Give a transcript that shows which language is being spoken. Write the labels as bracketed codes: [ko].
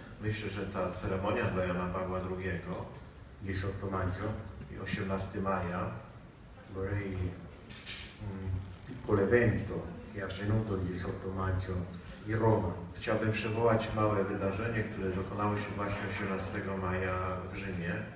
[pl] Myślę, że ta ceremonia dla Jana Pawła II [it] 18 maggio [pl] i 18 maja [it] vorrei piccolo evento che è avvenuto il 18 maggio in Roma. [pl] Chciałbym przywołać małe wydarzenie, które dokonało się właśnie 18 maja w Rzymie.